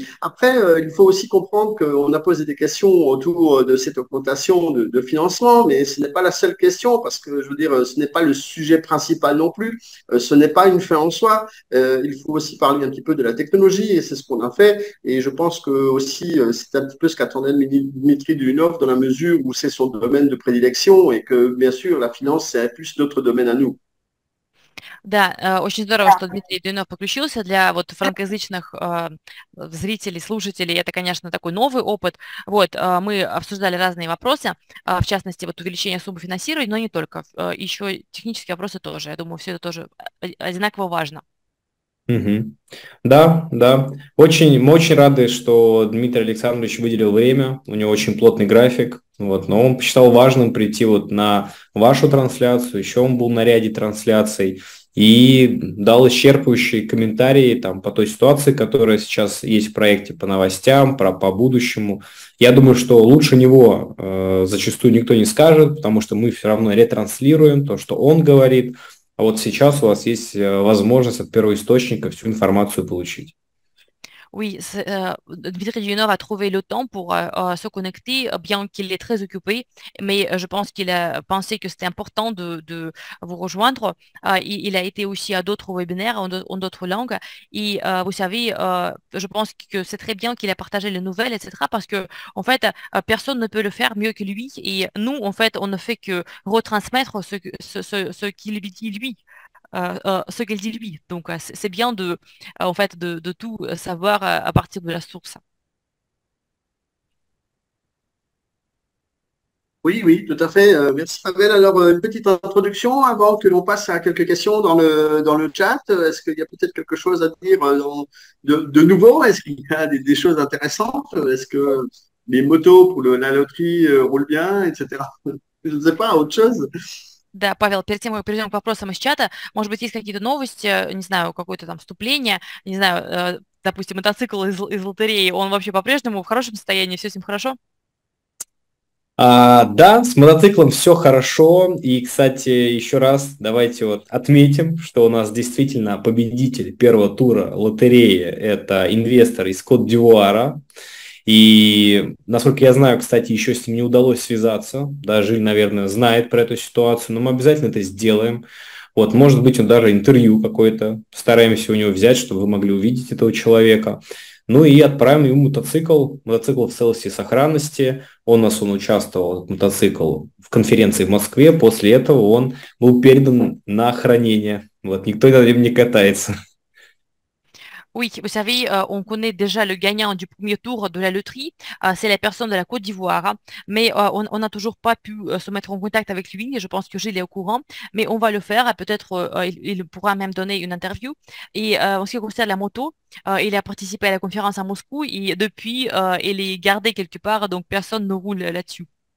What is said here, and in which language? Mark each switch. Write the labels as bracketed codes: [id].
[fr] Après, il faut aussi comprendre qu'on a posé des questions autour de cette augmentation de financement, mais ce n'est pas la seule question, parce que je veux dire, ce n'est pas le sujet principal non plus, ce n'est pas une fin en soi. Il faut aussi parler un petit peu de la technologie et c'est ce qu'on a fait. Et je pense que aussi, c'est un petit peu ce qu'attendait Dimitri Dulunov dans la mesure où c'est son domaine de prédilection. Et que bien sûr, la finance, c'est plus notre domaine à nous. [ru] Да, очень здорово, что Дмитрий Дюнов подключился. Для вот франкоязычных зрителей, слушателей, это, конечно, такой новый опыт. Вот, мы обсуждали разные вопросы, в частности, вот увеличение суммы финансирования, но не только, еще технические вопросы тоже. Я думаю, все это тоже одинаково важно. Да. Мы очень рады, что Дмитрий Александрович выделил время. У него очень плотный график. Вот, но он посчитал важным прийти вот на вашу трансляцию, еще он был на ряде трансляций и дал исчерпывающие комментарии там, по той ситуации, которая сейчас есть в проекте, по новостям, по будущему. Я думаю, что лучше него зачастую никто не скажет, потому что мы все равно ретранслируем то, что он говорит. А вот сейчас у вас есть возможность от первоисточника всю информацию получить. [fr] Oui, Dmitry Dionov a trouvé le temps pour se connecter, bien qu'il est très occupé, mais je pense qu'il a pensé que c'était important de vous rejoindre. Il a été aussi à d'autres webinaires en d'autres langues. Et vous savez, je pense que c'est très bien qu'il a partagé les nouvelles, etc. Parce que, en fait, personne ne peut le faire mieux que lui. Et nous, en fait, on ne fait que retransmettre ce qu'il dit lui. Ce qu'elle dit lui. Donc, c'est bien de, en fait, de tout savoir à partir de la source. Oui, tout à fait. Merci Pavel. Alors, une petite introduction avant que l'on passe à quelques questions dans le chat. Est-ce qu'il y a peut-être quelque chose à dire de nouveau? Est-ce qu'il y a des choses intéressantes? Est-ce que les motos pour la loterie roulent bien, etc. Je ne sais pas, autre chose? [ru] Да, Павел, перед тем, как мы перейдем к вопросам из чата, может быть, есть какие-то новости, не знаю, какое-то там вступление, не знаю, допустим, мотоцикл из лотереи, он вообще по-прежнему в хорошем состоянии, все с ним хорошо? Да, с мотоциклом все хорошо. И, кстати, еще раз давайте вот отметим, что у нас действительно победитель первого тура лотереи – это инвестор из Кот-д'Ивуара. И, насколько я знаю, кстати, еще с ним не удалось связаться. Даже, наверное, знает про эту ситуацию, но мы обязательно это сделаем. Вот, может быть, он даже интервью какое-то стараемся у него взять, чтобы вы могли увидеть этого человека. Ну и отправим ему мотоцикл. Мотоцикл в целости и сохранности. Он участвовал, мотоцикл, в конференции в Москве. После этого он был передан на хранение. Вот, никто над ним не катается. [fr] Oui, vous savez, on connaît déjà le gagnant du premier tour de la loterie, c'est la personne de la Côte d'Ivoire, hein, mais on n'a toujours pas pu se mettre en contact avec lui, et je pense que Gilles est au courant, mais on va le faire, peut-être il pourra même donner une interview. Et en ce qui concerne la moto, il a participé à la conférence à Moscou, et depuis, il est gardé quelque part, donc personne ne roule là-dessus.